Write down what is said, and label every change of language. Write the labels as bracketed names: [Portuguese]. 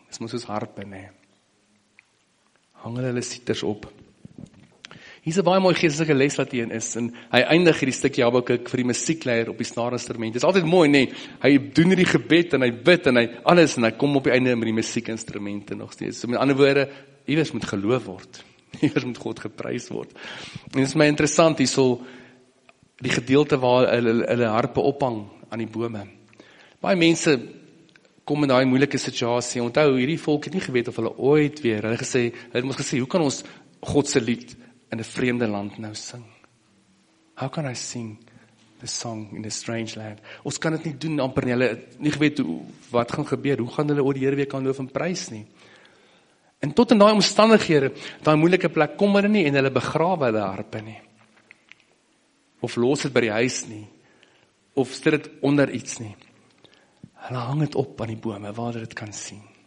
[Afrikaans] Dis mos soos harpe, nee. Hang hulle sieters op. Hier is een baie mooi geestelike les wat hierin is, en hy eindig hierdie stukkie Habakuk vir die musiekleier op die snaarinstrument. Dit is altyd mooi, nee. Hy doen hierdie gebed, en hy bid, en hy alles, en hy kom op die einde met die musiekinstrumente nog steeds. So met ander woorde, iewers moet geloof word. Iewers moet God geprys word. En dit is my interessant, hier so die gedeelte waar hulle harpe ophang aan die bome. Baie mense kom in daai moeilike situasie. Onthou, hierdie volk het nie geweet of hulle ooit weer, hulle het ons gesê, hoe kan ons God se lied in 'n vreemde land nou sing? [English] How can I sing the song in a strange land? [Afrikaans] Ons kan dit nie doen, amper nie. Hulle het nie geweet wat gaan gebeur. Hoe gaan hulle oor die Here weer kan loof en prys nie? En tot in daai omstandighede, daai moeilike plek, kom hulle nie en hulle begrawe hulle harpe nie. Of los het by die huis nie. Of stel het onder iets nie. Hulle hang het op aan die bome, waar dit kan sien.